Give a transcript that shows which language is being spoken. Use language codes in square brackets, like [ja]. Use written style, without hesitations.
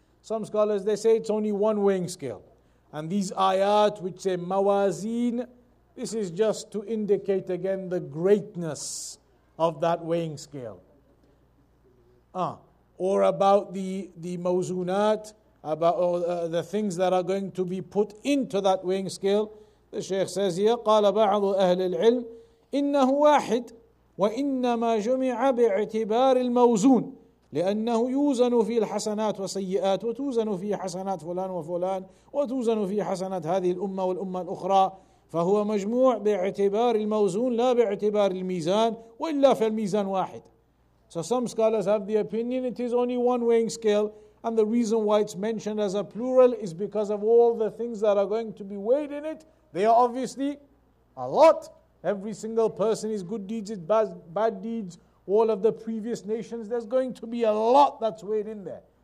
[en] Some scholars, they say it's only one weighing scale. And these ayat which say mawazin, this is just to indicate again the greatness of that weighing scale. Or about the mawzunat, the things that are going to be put into that weighing scale. The Shaykh says here, [ar] قَالَ بَعْضُ أَهْلِ الْعِلْمِ إِنَّهُ وَاحِدٌ وَإِنَّمَا جُمِعَ بِاعْتِبَارِ الْمَوْزُونِ لأنه يوزن في الحسنات والسيئات وتوزن في حسنات فلان وفلان وتوزن في حسنات هذه الأمة والأمة الأخرى فهو مجموع باعتبار الموزون لا باعتبار الميزان وإلا فالميزان واحد. [en] So some scholars have the opinion it is only one weighing scale And the reason why it's mentioned as a plural is because of all the things that are going to be weighed in it. They are obviously a lot. Every single person, his good deeds, his bad deeds, all of the previous nations, there's going to be a lot that's weighed in there.